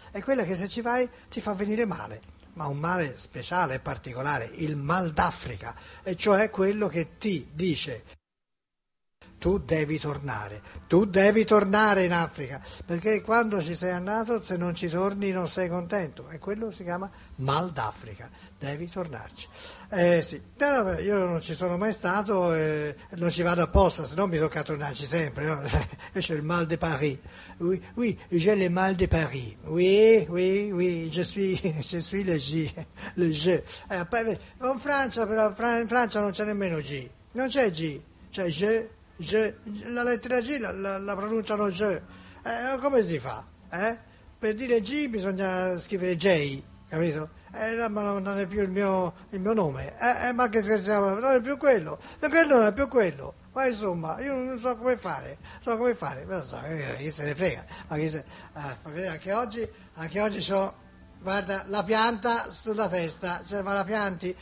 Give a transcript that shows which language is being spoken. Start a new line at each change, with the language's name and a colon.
Italian: È quella che se ci vai ti fa venire male, ma un male speciale, particolare, il mal d'Africa, e cioè quello che ti dice, tu devi tornare in Africa, perché quando ci sei andato, se non ci torni non sei contento, e quello si chiama mal d'Africa. Devi tornarci. Sì, io non ci sono mai stato, non ci vado apposta, se no mi tocca tornarci sempre, no? C'è il
French: mal de Paris, oui, j'ai le mal de Paris, oui, je suis le G, le G.
Italian: In Francia però, in Francia non c'è nemmeno G, non c'è G, c'è je, la lettera G la pronunciano je, come si fa? Per dire G bisogna scrivere J, capito? Ma non è più il mio nome, ma che scherziamo, non è più quello, quello non è più quello, ma insomma io non so come fare, ma non so, chi se ne frega, anche oggi c'ho, guarda, la pianta sulla testa, cioè, ma la pianti?